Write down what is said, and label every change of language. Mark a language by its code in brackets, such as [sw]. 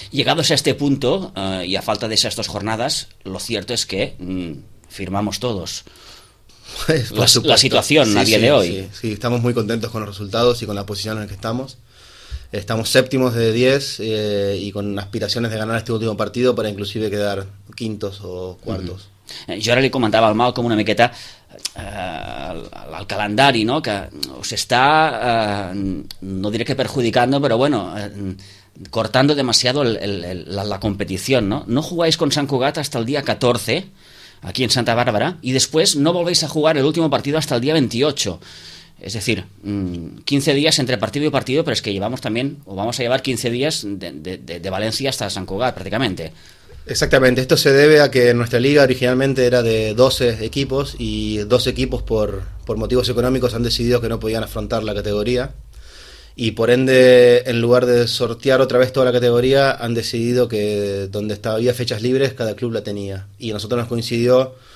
[es] Llegados a este punto y a falta de esas dos jornadas, lo cierto es que firmamos todos. Pues, la situación sí, a día sí, de hoy. Sí, estamos muy contentos con los resultados y con la posición en la que estamos. Estamos séptimos de 10 y con aspiraciones de ganar este último partido para inclusive quedar quintos o cuartos. [ca] Jo ara li comentava al Malcolm una miqueta el calendari, no?, que us està, no diré que perjudicando, però bueno, [es] cortando demasiado la competició, [ca] no? [es] No jugáis con Sant Cugat hasta el dia 14, aquí en Santa Bàrbara, [ca] i després [es] no volvéis a jugar el último partido hasta el dia 28. Es decir, 15 días entre partido y partido, pero es que llevamos también, o vamos a llevar 15 días de Valencia hasta San Cugat, prácticamente. Exactamente, esto se debe a que nuestra liga originalmente era de 12 equipos, y 12 equipos por motivos económicos han decidido que no podían afrontar la categoría, y por ende, en lugar de sortear otra vez toda la categoría, han decidido que donde había fechas libres, cada club la tenía, y a nosotros nos coincidió